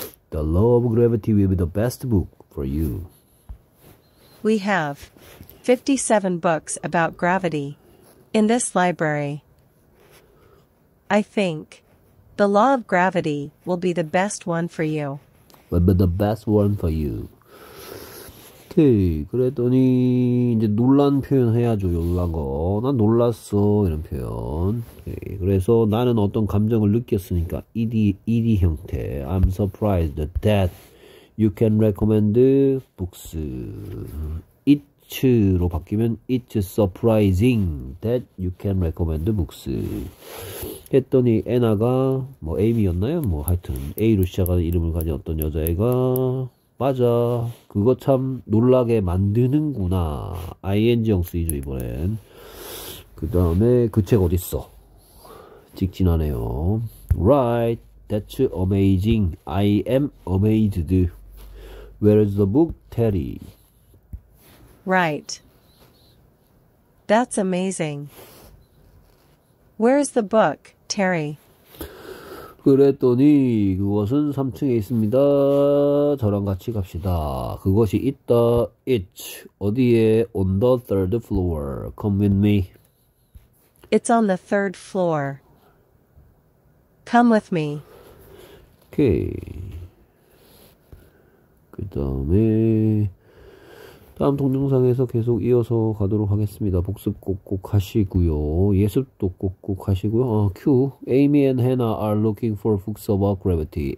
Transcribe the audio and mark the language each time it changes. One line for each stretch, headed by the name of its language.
English: The law of gravity will be the best book for you. We have 57 books about gravity in this library. I think the law of gravity will be the best one for you. Will be the best one for you.
Korean: 그랬더니 이제 놀란 표현해야죠. 놀란 거. 난 놀랐어. 이런 표현. 그래서 나는 어떤 감정을 느꼈으니까 ED 형태.
English: I'm surprised that you can recommend books. It's로
Korean: 바뀌면
English: It's surprising that you can recommend books.
Korean: 했더니 에나가 뭐 에이미였나요? 뭐 하여튼 A로 시작하는 이름을 가진 어떤 여자애가 맞아. 그거 참 놀라게 만드는구나. ing형 쓰이죠, 이번엔. 그 다음에 그 책 어딨어? 직진하네요.
English: Right. That's amazing. I am amazed. Where is the book, Terry? Right. That's amazing. Where is the book, Terry?
Korean: 그랬더니 그것은 3층에 있습니다. 저랑 같이 갑시다. 그것이 있다. It's 어디에?
English: On the third floor. Come with me. It's on the third floor. Come with me.
Korean: 오케이. 그 다음에 다음 동영상에서 계속 이어서 가도록 하겠습니다. 복습 꼭꼭 하시고요. 예습도 꼭꼭 하시고요. 아, Q.
English: Amy and Hannah are looking for books about gravity.